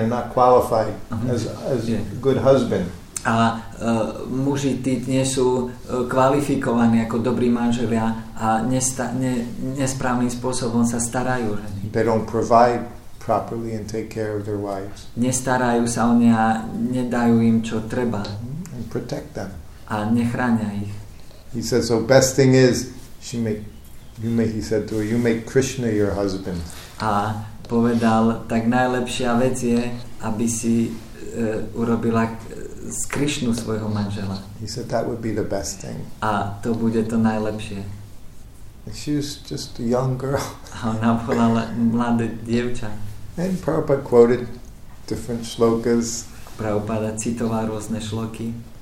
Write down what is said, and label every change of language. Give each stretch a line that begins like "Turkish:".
English: are not qualified as good husband.
Slovak: A muži tí nie sú kvalifikovaní ako dobrí manželia a nesprávnym spôsobom sa starajú ženy.
English: They don't provide properly and take care of their wives.
Slovak: Nestarajú sa o ne a nedajú im čo treba.
English: And protect them.
Slovak: A nechránia ich.
English: He said, so best thing is he said to her, you make Krishna your husband.
Slovak: A povedal, tak najlepšia vec je, aby si urobila z Krišnu svojho manžela.
English: He said that would be the best thing.
Slovak: A to bude to najlepšie.
English: She was just a young girl.
Slovak: A ona bola mladá dievča.
English: And Prabhupada quoted different shlokas.
Slovak: Prabhupada citoval rôzne šloky.